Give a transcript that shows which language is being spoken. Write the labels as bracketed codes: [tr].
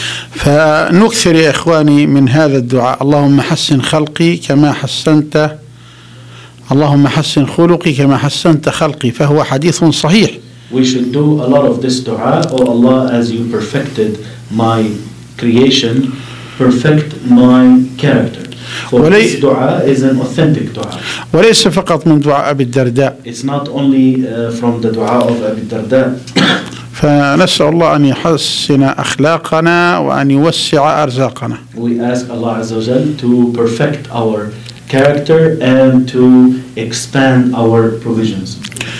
[ar] فنكثر يا إخواني من هذا الدعاء، اللهم حسن خلقي كما حسنت، اللهم حسن خلقي كما حسنت خلقي، فهو حديث صحيح. [en] We should do a lot of this dua. Oh Allah, as you perfected my creation, perfect my character. For this dua is an authentic dua. [ar] وليس فقط من دعاء أبي الدرداء. [en] It's not only from the dua of Abi Darda. [ar] فنسأل الله أن يحسن أخلاقنا وأن يوسع أرزاقنا. [en] We ask Allah Azza wa Jal to perfect our character and to expand our provisions.